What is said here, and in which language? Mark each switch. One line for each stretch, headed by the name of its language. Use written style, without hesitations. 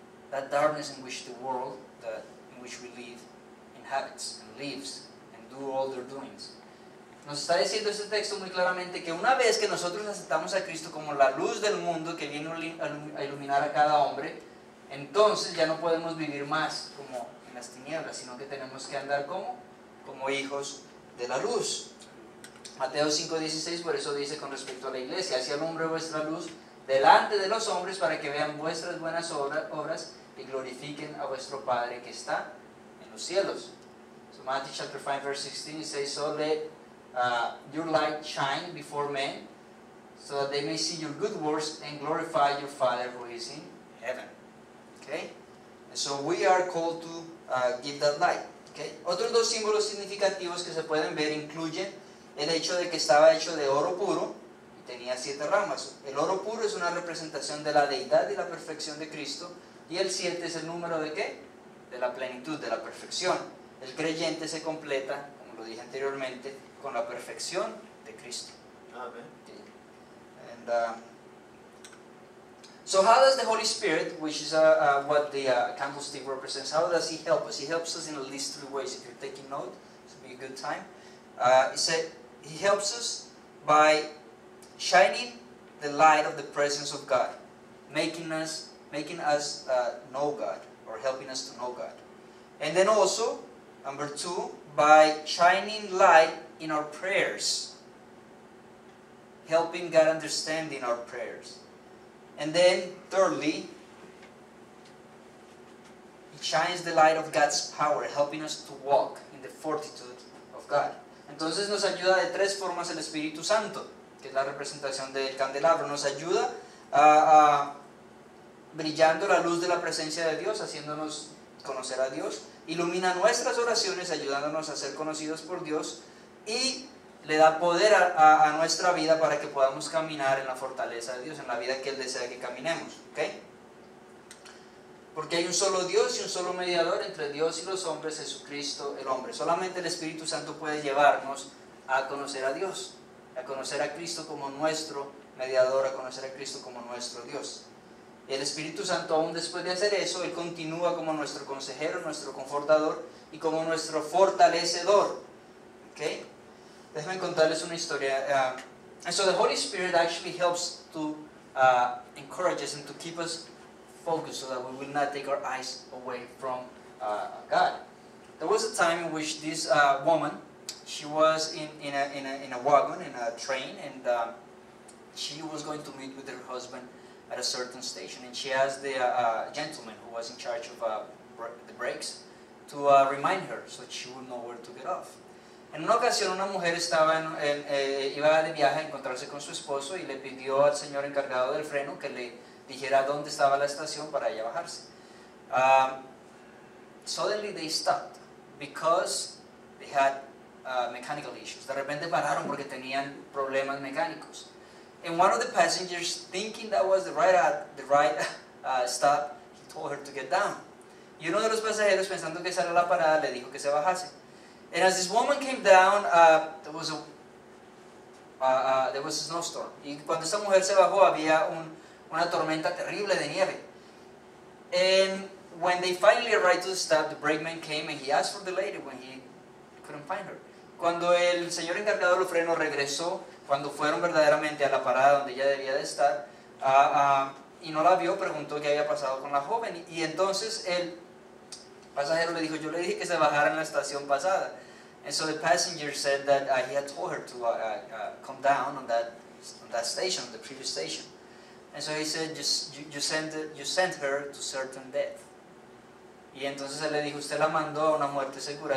English: That darkness in which the world in which we live inhabits and lives and do all their doings.
Spanish: Nos está diciendo este texto muy claramente que una vez que nosotros aceptamos a Cristo como la luz del mundo que viene a iluminar a cada hombre, entonces ya no podemos vivir más como en las tinieblas, sino que tenemos que andar como hijos de la luz. Mateo 5:16, por eso dice con respecto a la iglesia, así alumbre vuestra luz delante de los hombres para que vean vuestras buenas obras y glorifiquen a vuestro Padre que está en los cielos.
English: So Matthew chapter 5 verse 16 says, so let your light shine before men, so that they may see your good works and glorify your Father who is in heaven. Okay? And so we are called to give that light. Okay?
Spanish: Otros dos símbolos significativos que se pueden ver incluyen el hecho de que estaba hecho de oro puro y tenía siete ramas. El oro puro es una representación de la deidad y la perfección de Cristo, y el siete es el número de ¿qué? De la plenitud, de la perfección. El creyente se completa, como lo dije anteriormente, con la perfección de Cristo.
English: Amen. So how does the Holy Spirit, which is what the candlestick represents, how does he help us? He helps us in at least three ways. If you're taking note, this will be a good time. He helps us by shining the light of the presence of God, making us know God, or helping us to know God. And then also, number two, by shining light in our prayers, helping God understand in our prayers. And then, thirdly, it shines the light of God's power, helping us to walk in the fortitude of God.
Spanish: Entonces nos ayuda de tres formas el Espíritu Santo, que es la representación del candelabro. Nos ayuda brillando la luz de la presencia de Dios, haciéndonos conocer a Dios. Ilumina nuestras oraciones, ayudándonos a ser conocidos por Dios. Y le da poder a nuestra vida para que podamos caminar en la fortaleza de Dios, en la vida que Él desea que caminemos. ¿Okay? Porque hay un solo Dios y un solo mediador entre Dios y los hombres, Jesucristo, el hombre. Solamente el Espíritu Santo puede llevarnos a conocer a Dios, a conocer a Cristo como nuestro mediador, a conocer a Cristo como nuestro Dios. Y el Espíritu Santo, aún después de hacer eso, Él continúa como nuestro consejero, nuestro confortador y como nuestro fortalecedor. ¿Okay? Déjenme contarles una historia.
English: So the Holy Spirit actually helps to encourage us and to keep us focused so that we will not take our eyes away from God. There was a time in which this woman, she was in a wagon, in a train, and she was going to meet with her husband at a certain station, and she asked the gentleman who was in charge of the brakes to remind her so that she would know where to get off.
Spanish: En una ocasión, una mujer estaba iba de viaje a encontrarse con su esposo y le pidió al señor encargado del freno que le dijera dónde estaba la estación para ella bajarse.
English: Suddenly they stopped because they had mechanical issues.
Spanish: De repente pararon porque tenían problemas mecánicos.
English: And one of the passengers, thinking that was the right stop, he told her to get down.
Spanish: Y uno de los pasajeros, pensando que esa era la parada, le dijo que se bajase.
English: And as this woman came down, there was a snowstorm.
Spanish: Y cuando esta mujer se bajó, había una tormenta terrible de nieve.
English: And when they finally arrived to the stop, the brakeman came and he asked for the lady when he couldn't find her.
Spanish: Cuando el señor encargado del freno regresó, cuando fueron verdaderamente a la parada donde ella debía de estar, y no la vio, preguntó qué había pasado con la joven. Y entonces él... pasajero le dijo, yo le dije que se bajara en la estación pasada.
English: And so the passenger said that he had told her to come down on that station, the previous station. And so he said, you sent her to certain death.
Spanish: Y entonces él le dijo, usted la mandó a una muerte segura.